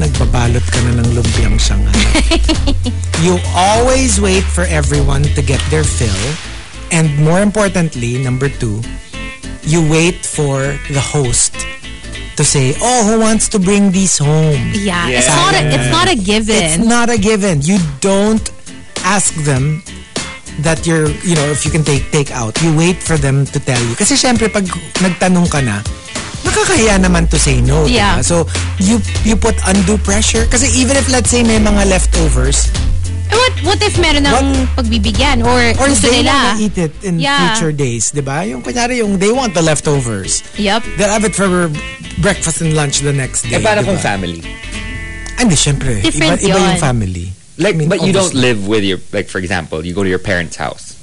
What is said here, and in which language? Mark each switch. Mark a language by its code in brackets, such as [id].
[tl] Nagbabalot ka na ng lumpiang siyangan. [en] You always wait for everyone to get their fill. And more importantly, number 2, you wait for the host to say, oh, who wants to bring these home? It's not a given. It's not a given. You don't ask them that you're, you know, if you can take out. You wait for them to tell you. [tl] Kasi syempre, pag nagtanong ka na, nakakahiya naman [en] to say no. Yeah. So, you put undue pressure. Kasi even if, let's say, [tl] may mga [en] leftovers. [tl] What if meron ang pagbibigyan? [en] Or they [tl] nila. [en] Want to eat it in future days. [tl] Diba? Yung kunyari, yung [en] they want the leftovers. Yep. They'll have it for breakfast and lunch the next day. [tl] E para kung family? Hindi, syempre. Iba yung family. [en] Like, I mean, but you don't live with your, like, for example, you go to your parents' house.